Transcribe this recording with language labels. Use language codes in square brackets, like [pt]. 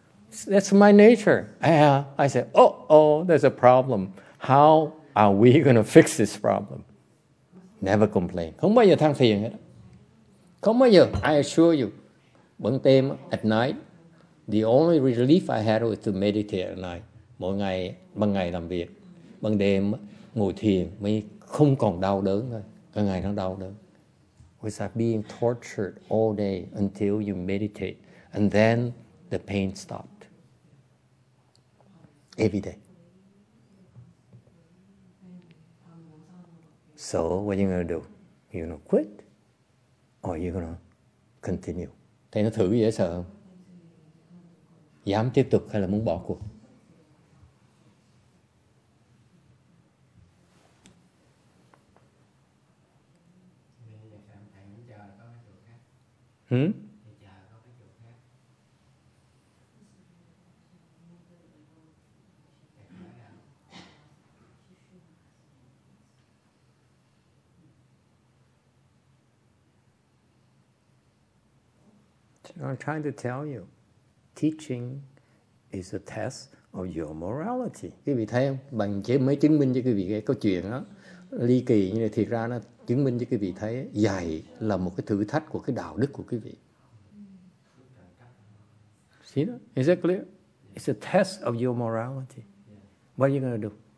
[en] That's my nature. I said, oh, there's a problem. How are we going to fix this problem? Never complain. [vi] Không bao giờ than phiền hết. Không bao giờ. [en] I assure you. Bận tem at night, the only relief I had was to meditate at night. [vi] Mỗi ngày, ban ngày làm việc. Ban đêm ngồi thiền mới không còn đau đớn thôi. Cả ngày nó đau đớn. [en] Was like being tortured all day until you meditate. And then the pain stopped. Every day. So what are you going to do? You're going to quit? Or you're going to continue? [vi] Thầy nó thử dễ sợ không? Dám tiếp tục hay là muốn bỏ cuộc? Hmm? [en] I'm trying to tell you, teaching is a test of your morality. [vi] Quý vị thấy không? Bằng chế mới chứng minh cho quý vị cái câu chuyện đó. Ly kỳ như này, thiệt ra nó chứng minh cho quý vị thấy dạy là một cái thử thách của cái đạo đức của quý vị. [en] See that? Is that clear? It's a test of your morality. What are you going to do?